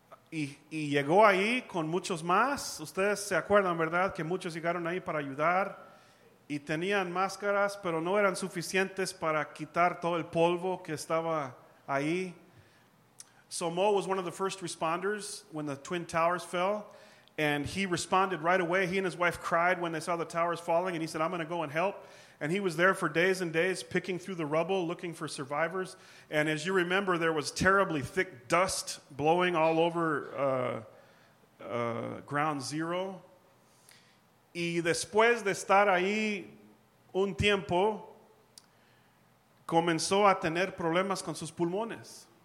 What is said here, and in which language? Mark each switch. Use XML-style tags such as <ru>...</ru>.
<es>Y llegó ahí con muchos más. Ustedes se acuerdan, ¿verdad?, que muchos llegaron ahí para ayudar. Y tenían máscaras, pero no eran suficientes para quitar todo el polvo que estaba ahí.</es> <en>So Mo was one of the first responders when the Twin Towers fell. And he responded right away. He and his wife cried when they saw the towers falling. And he said, I'm going to go and help. And he was there for days and days picking through the rubble, looking for survivors. And as you remember, there was terribly thick dust blowing all over Ground Zero.</en> <es>Y después de estar ahí un tiempo, comenzó a tener problemas con sus pulmones.</es>